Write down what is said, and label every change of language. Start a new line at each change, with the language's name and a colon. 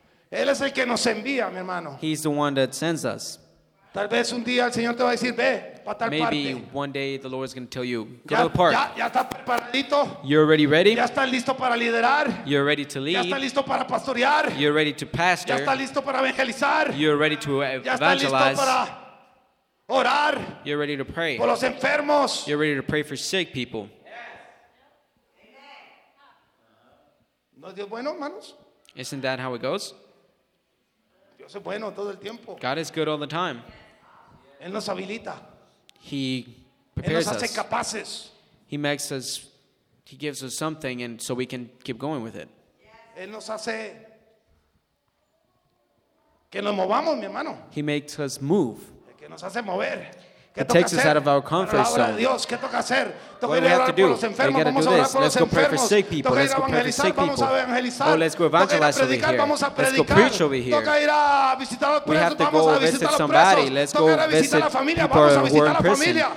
Spanish: Él es el que nos envía, mi hermano.
English: He's the one that sends us.
Spanish: Tal vez un día el Señor te va a decir, ve, pa tal
English: Maybe
Spanish: parte.
English: One day the Lord is going to tell you, get apart.
Spanish: Ya está preparadito.
English: You're already ready.
Spanish: Ya está listo para liderar.
English: You're ready to lead.
Spanish: Ya está listo para pastorear.
English: You're ready to pastor.
Spanish: Ya está listo para evangelizar.
English: You're ready to evangelize.
Spanish: Ya está listo para orar.
English: You're ready to pray.
Spanish: Por los enfermos.
English: You're ready to pray for sick people.
Spanish: ¿No es Dios bueno, hermanos?
English: Isn't that how it goes? God is good all the time.
Spanish: Él nos habilita.
English: He prepares
Spanish: Él nos hace
English: us.
Spanish: Capaces.
English: He makes us, he gives us something and so we can keep going with it.
Spanish: Él nos hace que nos movamos, mi hermano.
English: He makes us move.
Spanish: Que nos hace mover.
English: He takes us out of our comfort zone. What do we have to do? We got to do this. Let's go pray for sick people. Let's go pray for sick people. Oh, let's go evangelize over here. Let's go preach over here. We have to go visit somebody. Let's go visit people who are in prison.